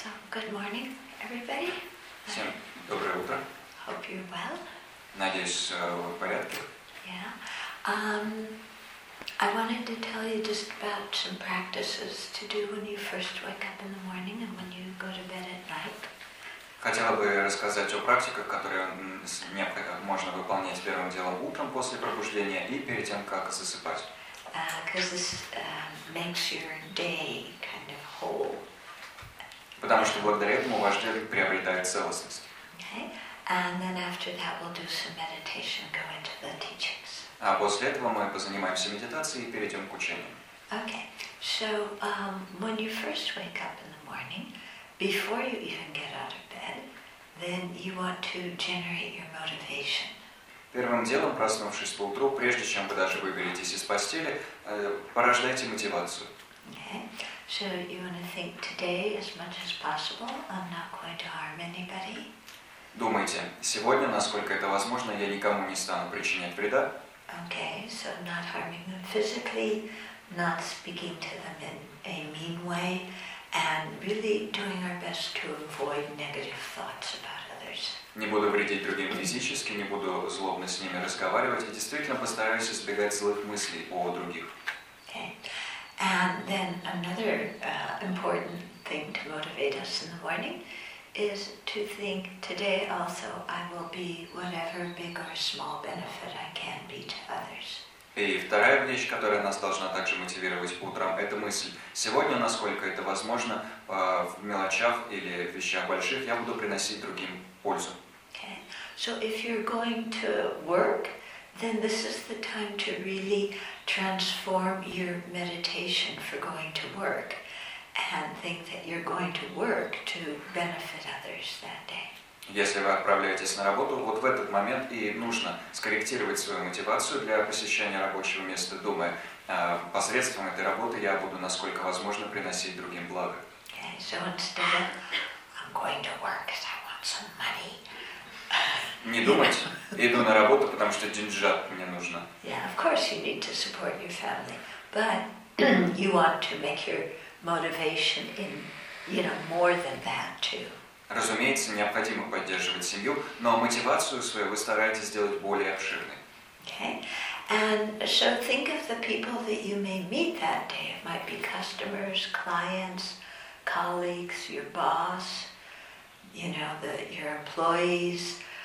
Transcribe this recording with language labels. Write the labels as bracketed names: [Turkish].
[English] Good morning, everybody. [Russian] Всем доброе утро. [English] Hope you're well. [Russian] Надеюсь, вы в порядке. [English] Yeah. I wanted to tell you just about some practices to do when you first wake up in the morning and when you go to bed at night. [Russian] Хотела бы рассказать о практиках, которые необходимо можно выполнять первым делом утром после пробуждения и перед тем, как засыпать. [English] Because this makes your day kind of whole. [Russian] Потому что благодаря этому ваш день приобретает целостность. [English] Okay. And then after that we'll do some meditation, go into the teachings. [Russian] А после этого мы позанимаемся медитацией и перейдем к учениям. [English] Okay. So when you first wake up in the morning, before you even get out of bed, then you want to generate your motivation. [Russian] Первым делом, проснувшись по утру, прежде чем вы даже выберетесь из постели, порождайте мотивацию. [English] Okay. So you want to think today as much as possible, I'm not going to harm anybody. [Russian] Думайте, сегодня, насколько это возможно, я никому не стану причинять вреда. [English] Okay, so not harming them physically, not speaking to them in a mean way, and really doing our best to avoid negative thoughts about others. [Russian] Не буду вредить другим физически, не буду злобно с ними разговаривать, и действительно постараюсь избегать злых мыслей о других. [English] Okay. And then another important thing to motivate us in the morning is to think, today also I will be whatever big or small benefit I can be to others. [Russian] И вторая вещь, которая нас должна также мотивировать утром, это мысль. Сегодня, насколько это возможно, в мелочах или в вещах больших, я буду приносить другим пользу. [English] Okay. So if you're going to work, then this is the time to really transform your meditation for going to work and think that you're going to work to benefit others that day. [Russian] Если вы отправляетесь на работу, вот в этот момент и нужно скорректировать свою мотивацию для посещения рабочего места, думая, посредством этой работы я буду, насколько возможно, приносить другим благо. [English] Okay, so instead of, I'm going to work because I want some money. [Russian] Не думать, иду на работу, потому что деньжат мне нужно. [English] Yeah, of course you need to support your family, but you want to make your motivation in, you know, more than that too. [Russian] Разумеется, необходимо поддерживать семью, но мотивацию свою вы стараетесь сделать более обширной. [English] Okay. And so think of the people that you may meet that day. It might be customers, clients, colleagues, your boss, you know, your employees.